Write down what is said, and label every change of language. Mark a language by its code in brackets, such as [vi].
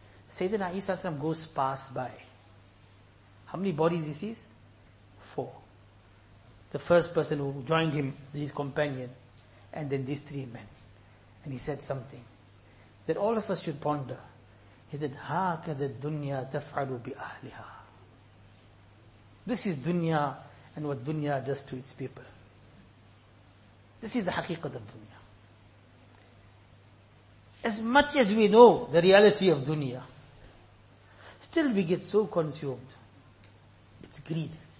[en] Sayyidina Isa alayhi salam goes past by. How many bodies he sees? 4. The first person who joined him, his companion, and then these 3 men. And he said something that all of us should ponder. He said, [ar] هَاكَذَ الدُّنْيَا تَفْعَلُ بِأَهْلِهَا. [en] This is dunya and what dunya does to its people. This is the haqiqat of dunya. As much as we know the reality of dunya, still we get so consumed. It's greed.